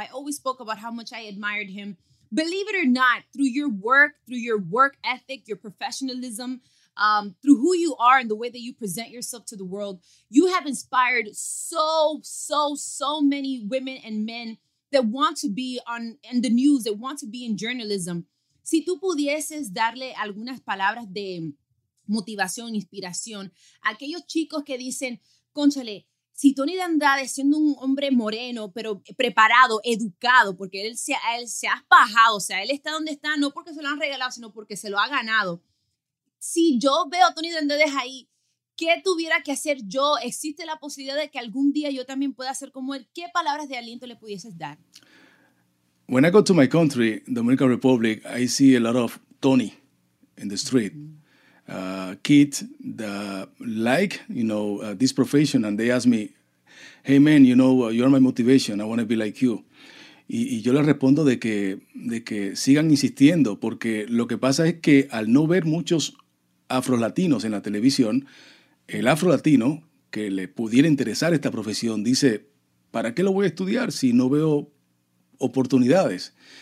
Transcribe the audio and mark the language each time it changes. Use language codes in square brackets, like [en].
[en] I always spoke about how much I admired him. Believe it or not, through your work ethic, your professionalism, through who you are and the way that you present yourself to the world, you have inspired so many women and men that want to be on in the news, that want to be in journalism. [es] Si tú pudieses darle algunas palabras de motivación, inspiración, a aquellos chicos que dicen, cónchale, si Tony de Andrade, siendo un hombre moreno, pero preparado, educado, porque él se ha bajado, o sea, él está donde está, no porque se lo han regalado, sino porque se lo ha ganado. Si yo veo a Tony de Andrade ahí, ¿qué tuviera que hacer yo? ¿Existe la posibilidad de que algún día yo también pueda ser como él? ¿Qué palabras de aliento le pudieses dar? [en] When I go to my country, Dominican Republic, I see a lot of Tony in the street. Kids that like, you know, this profession, and they ask me, hey man, you know, you're my motivation, I want to be like you. [es] Y yo les respondo de que sigan insistiendo, porque lo que pasa es que al no ver muchos afrolatinos en la televisión, el afrolatino que le pudiera interesar esta profesión dice, ¿para qué lo voy a estudiar si no veo oportunidades?